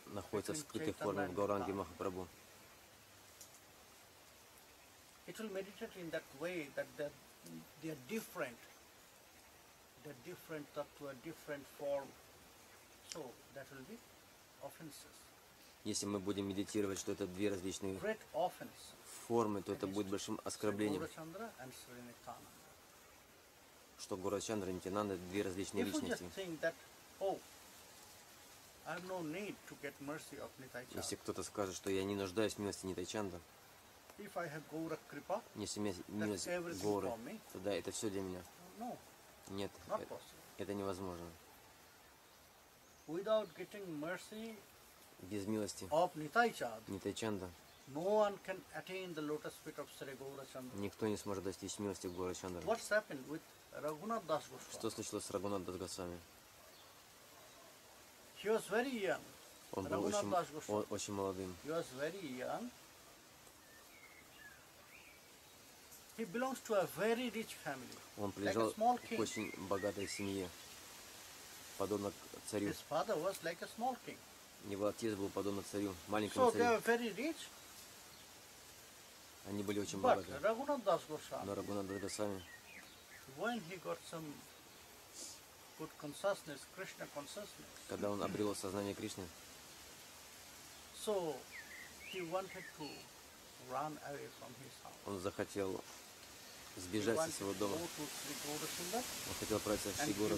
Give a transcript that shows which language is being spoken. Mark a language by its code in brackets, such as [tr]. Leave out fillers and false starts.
[ru] находится в скрытой форме Гауранги Махапрабху. [en] It will meditate in that way that they are different. The different tattva, different form. So that will be offenses. [ru] Если мы будем медитировать, что это две различные [en] great offense, [ru] формы, то это будет большим оскорблением. [en] Gurachandra and Sri Nityananda. [ru] Что Гурачандра и Нитянанда две различные [en] if [ru] личности. [en] You think that, oh, I have no need to get mercy of Nitai-chandra. [ru] Если кто-то скажет, что я не нуждаюсь в милости Нитайчандра, [en] if I have Gaura Kripa, [ru] если у меня милость Гуры, тогда это все для меня. [en] No, [ru] нет, это невозможно. [en] Without getting mercy [ru] без милости [en] of Nitai-chandra, [ru] Нитайчандра, [en] no one can attain the lotus feet of Sri Gaurachandra. [ru] Никто не сможет достичь милости Гурачандра. [en] What's happened with Raganuga Bhakti? [ru] Что случилось с Raganuga Bhakti? [en] He was very young. [ru] Он был очень молодым. [en] He was very young. He belongs to a very rich family. [ru] Он принадлежал к очень богатой семье, подобно царю. [en] His father was like a small king. [ru] Его отец был подобно царю, маленькому [en] so [ru] царю. [en] So they were very rich. [ru] Они были очень [en] but [ru] богаты. Но [en] Raganuga Bhakti, when he got some good consciousness, Krishna consciousness, [ru] когда он обрел сознание Кришны, [en] so he wanted to run away from his house. [ru] Он захотел сбежать из своего дома. Он хотел пройти в Шри Гуру